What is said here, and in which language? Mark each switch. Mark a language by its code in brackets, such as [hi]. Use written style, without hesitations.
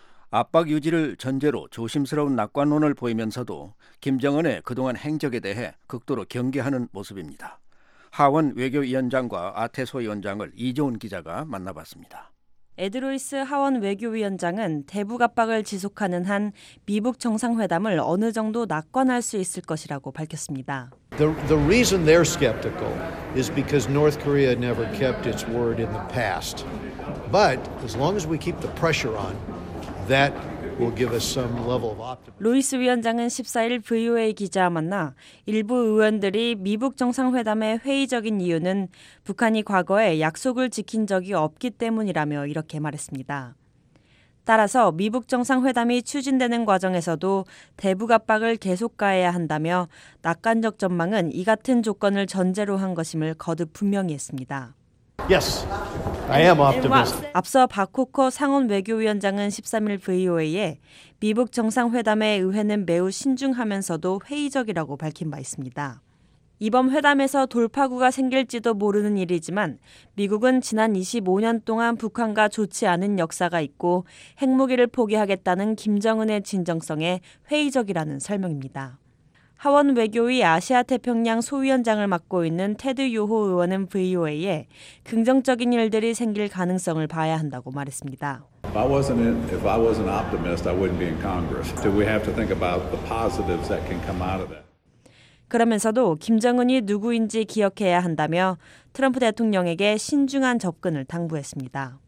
[ko] 압박 유지를 전제로 조심스러운 낙관론을 보이면서도 김정은의 그동안 행적에 대해 극도로 경계하는 모습입니다. 하원 외교위원장과 아태소 위원장을 이종훈 기자가 만나봤습니다. 에드로이스 하원 외교위원장은 대북 압박을 지속하는 한 미북 정상회담을 어느 정도 낙관할 수 있을 것이라고 밝혔습니다. [en] The reason they're skeptical is because North Korea never kept its word in the past. But as long as we keep the pressure on, that will give us some level of optimism. [ko] 로이스 위원장은 14일 VOA 기자 만나 일부 의원들이 미북 정상회담의 회의적인 이유는 북한이 과거에 약속을 지킨 적이 없기 때문이라며 이렇게 말했습니다. 따라서 미북 정상회담이 추진되는 과정에서도 대북 압박을 계속 가해야 한다며 낙관적 전망은 이 같은 조건을 전제로 한 것임을 거듭 분명히 했습니다. [en] Yes, I am optimistic. [ko] 앞서 박 코커 상원 외교위원장은 13일 VOA에 미북 정상회담의 의회는 매우 신중하면서도 회의적이라고 밝힌 바 있습니다. 이번 회담에서 돌파구가 생길지도 모르는 일이지만 미국은 지난 25년 동안 북한과 좋지 않은 역사가 있고 핵무기를 포기하겠다는 김정은의 진정성에 회의적이라는 설명입니다. 하원 외교위 아시아태평양 소위원장을 맡고 있는 테드 요호 의원은 VOA에 긍정적인 일들이 생길 가능성을 봐야 한다고 말했습니다. [en] If I wasn't an optimist, I wouldn't be in Congress. Do we have to think about the positives that can come out of that? [ko] 그러면서도 김정은이 누구인지 기억해야 한다며 트럼프 대통령에게 신중한 접근을 당부했습니다.